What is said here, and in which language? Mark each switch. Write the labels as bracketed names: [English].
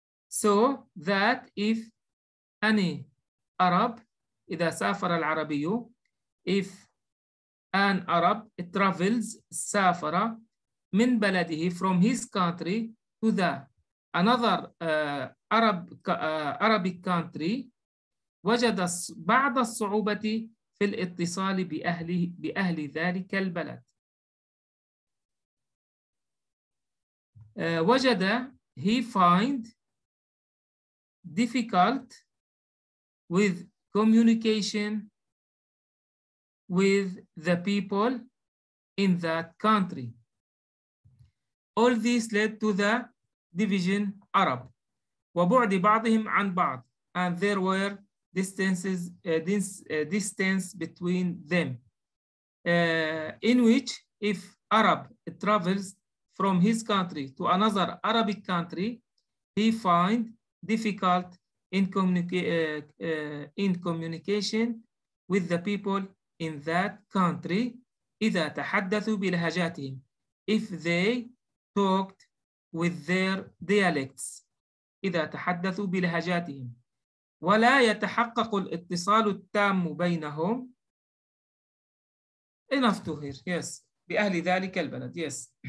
[English] so that if any Arab [Arabic] إذا سافر العربي [English] if an Arab travels سافر [Arabic] من بلده [English] from his country to the another Arabic country [Arabic] وجد بعض الصعوبة في الاتصال بأهل ذلك البلد. [English] وجد he find difficult with communication with the people in that country. All this led to the division Arab. [Arabic] وبعد بعضهم عن بعض. [English] And there were distances, distance between them. In which if Arab travels from his country to another Arabic country, he find difficult in communication with the people in that country. [Arabic] إذا تحدثوا بلهجاتهم. [English] If they talked with their dialects [Arabic] إذا تحدثوا بلهجاتهم ولا يتحقق الاتصال التام بينهم [English] enough to hear yes [Arabic] بأهل ذلك البلد [English] yes